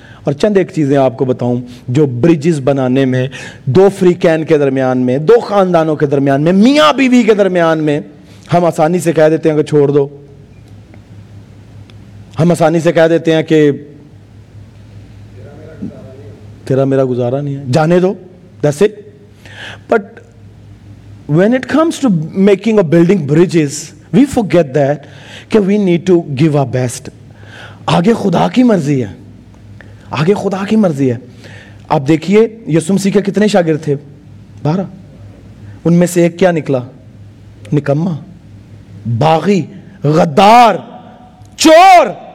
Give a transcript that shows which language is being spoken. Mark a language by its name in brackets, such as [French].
[Urdu] اور چند ایک چیزیں آپ کو بتاؤں جو برجز بنانے میں دو فریقین کے درمیان میں, دو خاندانوں کے درمیان میں, میاں بیوی کے درمیان میں ہم آسانی سے کہہ دیتے ہیں کہ چھوڑ دو, ہم آسانی سے کہہ دیتے ہیں کہ تیرا میرا گزارا نہیں ہے, جانے دو, [English] That's it. But when it comes to making or building bridges, we forget that کہ we need to give our best. [Urdu] آگے خدا کی مرضی ہے, آگے خدا کی مرضی ہے. آپ دیکھیے یسوع مسیح کے کتنے شاگرد تھے؟ 12. ان میں سے ایک کیا نکلا؟ نکما, باغی, غدار, چور.